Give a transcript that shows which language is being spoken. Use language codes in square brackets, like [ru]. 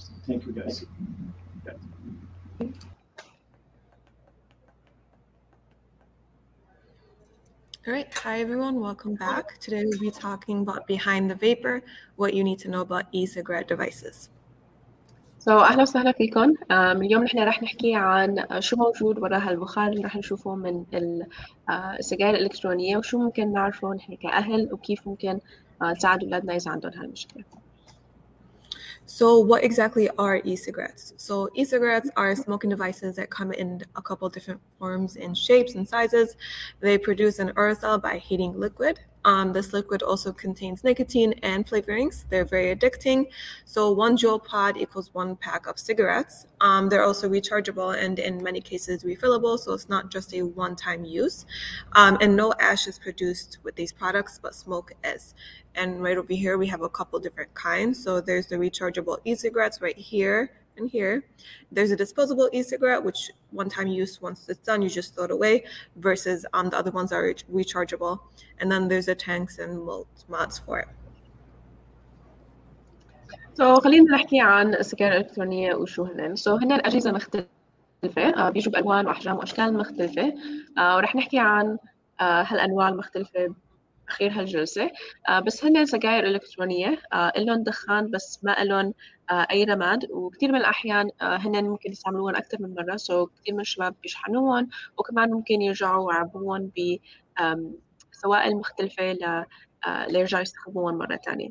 [en] Thank you, guys. All right, hi everyone, welcome back. Today we'll be talking about Behind the Vapor, what you need to know about e-cigarette devices. [ar] So, اهلا وسهلا فيكم. اليوم نحن راح نحكي عن شو موجود وراء هالبخار اللي راح نشوفه من السجائر الإلكترونية وشو ممكن نعرفه نحن كأهل وكيف ممكن نساعد أولادنا إذا عندهم هالمشكلة. [en] So what exactly are e-cigarettes? So e-cigarettes are smoking devices that come in a couple different forms and shapes and sizes. They produce an aerosol by heating liquid. This liquid also contains nicotine and flavorings. They're very addicting. So 1 joule pod equals 1 pack of cigarettes. They're also rechargeable and in many cases refillable. So it's not just a one-time use. And no ash is produced with these products, but smoke is. And right over here, we have a couple different kinds. So there's the rechargeable e-cigarettes right here and here. There's a disposable e-cigarette, which one-time use, once it's done, you just throw it away, versus the other ones are rechargeable. And then there's the tanks and mods for it. [ar] So خلينا نحكي عن السجائر الإلكترونية وشو هنن. So هنن أجهزة مختلفة, بيجوا بألوان وأحجام وأشكال مختلفة. ورح نحكي عن هالأنواع المختلفة أخير هالجلسة. بس هن السجائر الإلكترونية إلهم دخان بس ما إلهم أي رماد, وكثير من الأحيان هن ممكن يستعملوهم أكثر من مرة, سو كثير من الشباب بيشحنوهم وكمان ممكن يرجعوا يعبوهم بسوائل مختلفة ليرجعوا يستخدموهم مرة تانية.